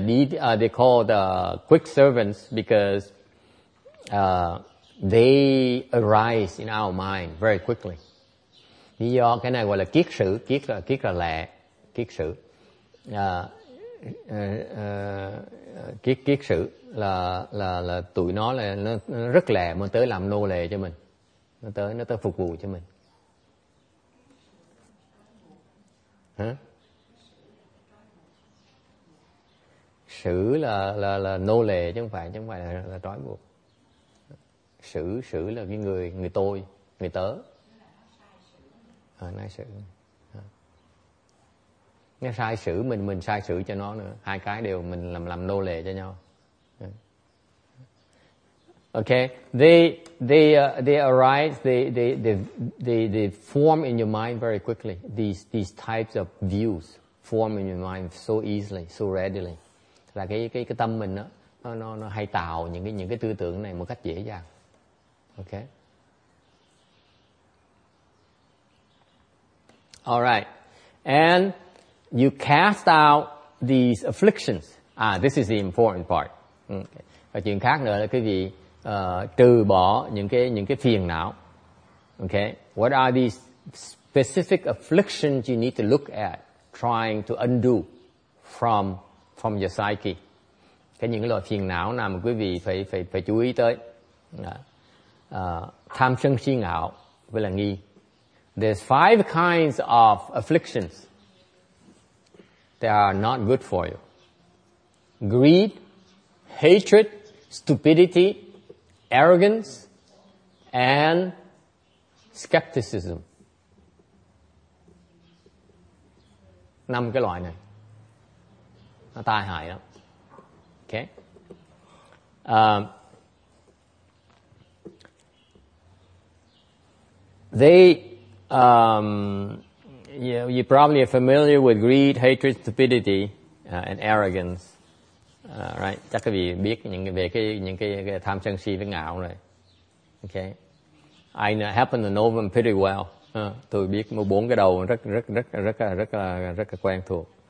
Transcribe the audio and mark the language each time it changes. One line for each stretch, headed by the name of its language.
English: They called quick servants because they arise in our mind very quickly.
Vietnamese: Lý do cái này gọi là kiết sử, kiết là lẹ, kiết sử. Kiết sử là tụi nó là nó rất lẹ mà tới làm nô lệ cho mình. Nó tới phục vụ cho mình. Hả? Sử là nô lệ chứ không phải là trói buộc. Sử là cái người tôi, người tớ. À, nói sử. À. Nó sai sử mình sai sử cho nó nữa, hai cái đều mình làm nô lệ cho nhau.
English: Okay, they arise, they form in your mind very quickly. These types of views form in your mind so easily, so readily.
Vietnamese: Là cái tâm mình đó, nó hay tạo những cái tư tưởng này một cách dễ dàng.
English: Okay. All right. And you cast out these afflictions. This is the important part. Okay.
Vietnamese: Và chuyện khác nữa là cái gì? Trừ bỏ những cái phiền não. Okay.
English: What are these specific afflictions you need to look at trying to undo from your psyche?
Vietnamese: Cái những cái loại phiền não nào mà quý vị phải chú ý tới. Tham sân si ngạo với là nghi.
English: There's five kinds of afflictions that are not good for you. Greed, hatred, stupidity, arrogance, and skepticism.
Vietnamese: Năm cái loại này. Nó tai hại lắm. Okay.
English: You probably are familiar with greed, hatred, stupidity, and arrogance, right?
Vietnamese: Chắc các vị biết về cái tham sân si với ngạo rồi.
English: Okay, I happen to know them pretty well.
Vietnamese: Tôi biết một bốn cái đầu rất là quen thuộc.